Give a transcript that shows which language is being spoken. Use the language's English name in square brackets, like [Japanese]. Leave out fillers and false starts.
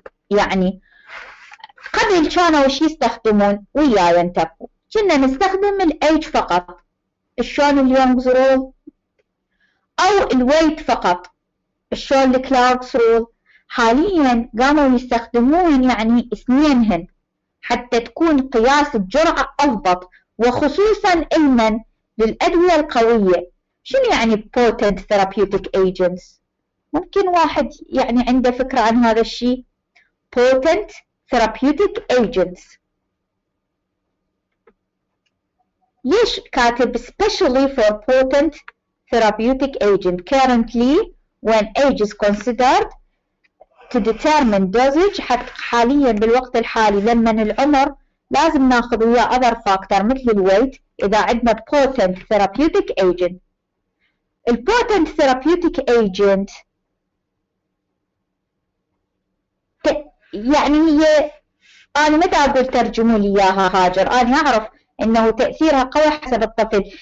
[Arabic] يعني قبل كانوا ايش يستخدمون وياي انتبهوا؟ كنا نستخدم الايج فقط، شلون اليونجز رول، او الويت فقط شلون الكلاركس رول. حاليا قاموا يستخدمون يعني اثنينهن حتى تكون قياس الجرعة أضبط، وخصوصا المن للأدوية القوية. شنو يعني [English] potent therapeutic agents؟ [Arabic] ممكن واحد يعني عنده فكرة عن هذا الشيء؟ potent therapeutic agents ليش كاتب [English] specially for potent therapeutic agent currently when age is considered to determine dosage. [Arabic] حاليا بالوقت الحالي لما العمر لازم ناخذ وياه [English] other factor [Arabic] مثل الويت. اذا عندنا potent therapeutic agent، ال potent therapeutic agent يعني هي، انا متى اقول ترجموا لي اياها هاجر، انا اعرف انه تاثيرها قوي حسب الطفل.